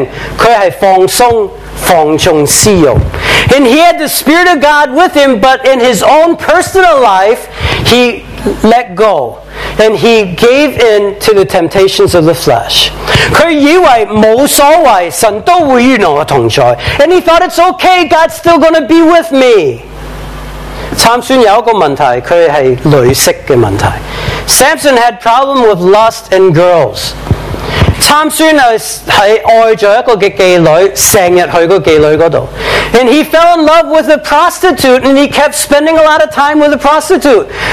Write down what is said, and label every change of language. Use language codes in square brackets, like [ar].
[zh] 但他自己的个人生命，他是放松、放纵、私欲。 [en] And he had the Spirit of God with him, but in his own personal life, he let go. And he gave in to the temptations of the flesh. [zh] 他以为无所谓，神都会与我同在。 [en] And he thought it's okay, God's still going to be with me. [zh] 参孙有一个问题，他是女色的问题。 [en] Samson had problem with lust and girls. [zh] 参孙是爱着一个妓女，成日去个妓女那里。 [en] And he fell in love with a prostitute, and he kept spending a lot of time with a prostitute.